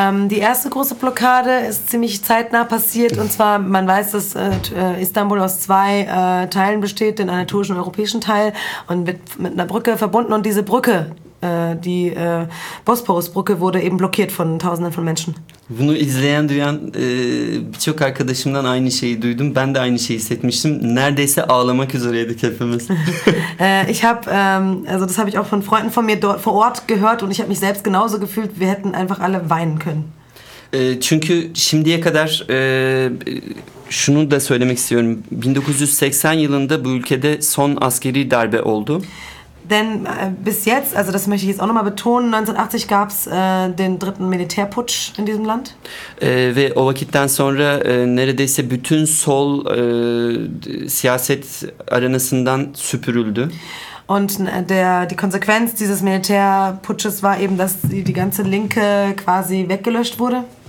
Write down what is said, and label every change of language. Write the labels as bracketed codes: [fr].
[de] Die erste große Blockade ist ziemlich zeitnah passiert und zwar, man weiß, dass Istanbul aus zwei Teilen besteht, den anatolischen und europäischen Teil und wird mit einer Brücke verbunden und diese Brücke, die Bosporus-Brücke wurde eben blockiert von tausenden von Menschen. [tr] Bunu izleyen duyan birçok arkadaşımdan aynı şeyi duydum. Ben de aynı şeyi hissetmiştim. Neredeyse ağlamak üzereydik hepimiz. [de] Ich habe also das habe ich auch von Freunden von mir dort vor Ort gehört und ich habe mich selbst genauso gefühlt, wir hätten einfach alle weinen können. [tr] Çünkü şimdiye kadar şunu da söylemek istiyorum. 1980 yılında bu ülkede son askeri darbe oldu. [de] Denn bis jetzt, also das möchte ich jetzt auch nochmal betonen, 1980 gab es den dritten Militärputsch in diesem Land. [tr] Ve o vakitten sonra neredeyse bütün sol siyaset arenasından süpürüldü. [de] Und die Konsequenz dieses Militärputsches war eben, dass die ganze Linke quasi weggelöscht wurde.